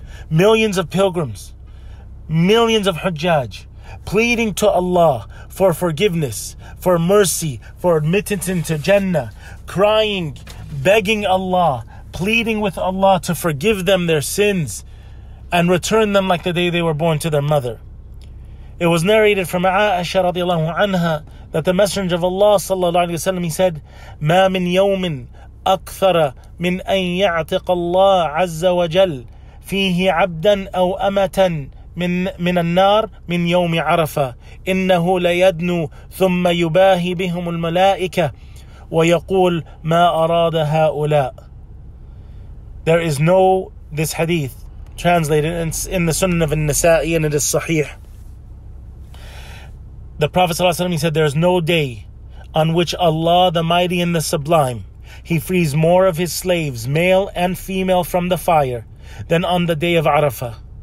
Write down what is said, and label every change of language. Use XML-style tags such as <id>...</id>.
<en>Millions of pilgrims, millions of hujjaj, pleading to Allah for forgiveness, for mercy, for admittance into Jannah, crying, begging Allah, pleading with Allah to forgive them their sins and return them like the day they were born to their mother. It was narrated from Aisha radiallahu anha that the Messenger of Allah sallallahu alayhi wa sallam, he said,</en> <ar>مَا مِنْ يَوْمٍ أَكْثَرَ مِنْ أَنْ يَعْتِقَ اللَّهُ عَزَّ وَجَلَّ فِيهِ عَبْدًا أَوْ أَمَةً من النار من يوم عرفة إنه ليدنو ثم يباهي بهم الملائكة ويقول ما أراد هؤلاء.</ar> <en>There is no, this hadith translated in the Sunnah of An-Nasa'i and it is Sahih. The Prophet sallallahu alaihi wasallam said, there is no day on which Allah the Mighty and the Sublime, He frees more of His slaves, male and female, from the fire than on the day of Arafah.</en>